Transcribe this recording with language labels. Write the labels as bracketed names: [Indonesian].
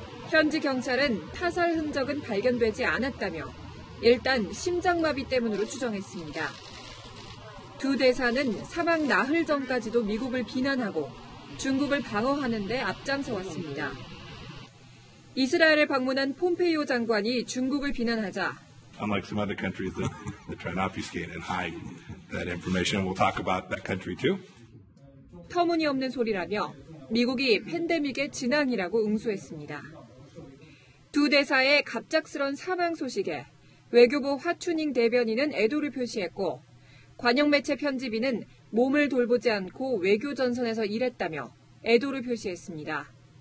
[Korean] 현지 경찰은 타살 흔적은 발견되지 않았다며 일단 심장마비 때문으로 추정했습니다. 두 대사는 사망 나흘 전까지도 미국을 비난하고 중국을 방어하는 데 앞장서왔습니다. 이스라엘을 방문한 폼페이오 장관이 중국을 비난하자 [English] Unlike some other countries that try and obfuscate and hide that information, we'll talk about that country too. [Korean] 터무니없는 소리라며 미국이 팬데믹의 진앙이라고 응수했습니다. 두 대사의 갑작스런 사망 소식에 외교부 화추닝 대변인은 애도를 표시했고 관영매체 편집인은 몸을 돌보지 않고 외교 전선에서 일했다며 애도를 표시했습니다.